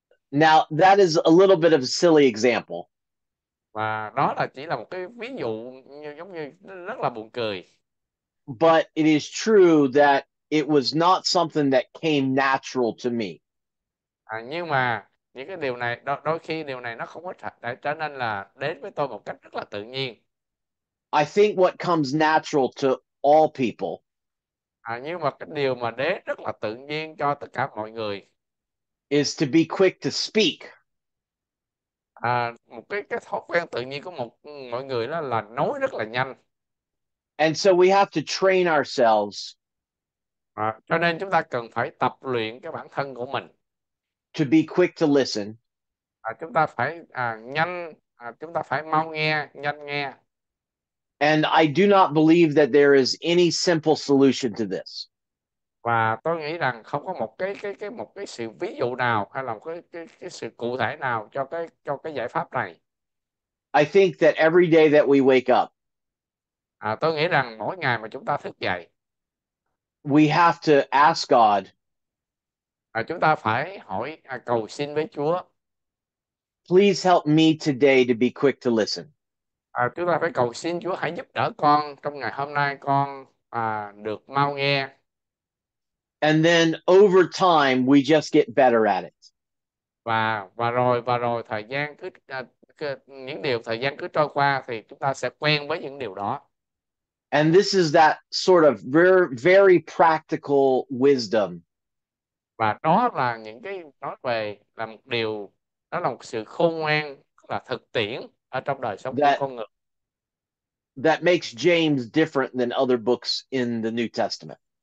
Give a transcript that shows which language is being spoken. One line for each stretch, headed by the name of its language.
English: Now, that is a little bit of a silly example.
Vietnamese: Và đó là chỉ là một cái ví dụ như giống như rất là buồn cười.
English: But it is true that it was not something that came natural to me.
Vietnamese: Nhưng mà những cái điều này đôi khi điều này nó không có thật, để trở nên là đến với tôi một cách rất là tự nhiên.
English: I think what comes natural to all people.
Vietnamese: Nhưng mà cái điều mà đến rất là tự nhiên cho tất cả mọi người.
English: Is to be quick to speak.
Vietnamese: Một cái thói quen tự nhiên của một mọi người đó là nói rất là nhanh.
English: And so we have to train ourselves
Vietnamese: Cho nên chúng ta cần phải tập luyện cái bản thân của mình.
English: to be quick to listen.
Vietnamese: Chúng ta phải nhanh, chúng ta phải mau nghe, nhanh nghe.
English: And I do not believe that there is any simple solution to this.
Vietnamese: Và tôi nghĩ rằng không có một cái sự ví dụ nào hay là một cái sự cụ thể nào cho cái giải pháp này.
English: I think that every day that we wake up,
Vietnamese: Tôi nghĩ rằng mỗi ngày mà chúng ta thức dậy,
English: we have to ask God,
Vietnamese: chúng ta phải hỏi cầu xin với Chúa.
English: "Please help me today to be quick to listen."
Vietnamese: Chúng ta phải cầu xin Chúa hãy giúp đỡ con trong ngày hôm nay, con được mau nghe.
English: And then over time, we just get better at it.
Vietnamese: Và rồi thời gian những điều thời gian cứ trôi qua thì chúng ta sẽ quen với những điều đó.
English: And this is that sort of very, very practical wisdom.
Vietnamese: Và đó là những cái nói về là một điều, đó là một sự khôn ngoan là thực tiễn ở trong đời sống của
English: That
Vietnamese: con người.
English: makes James different than other books in the New Testament.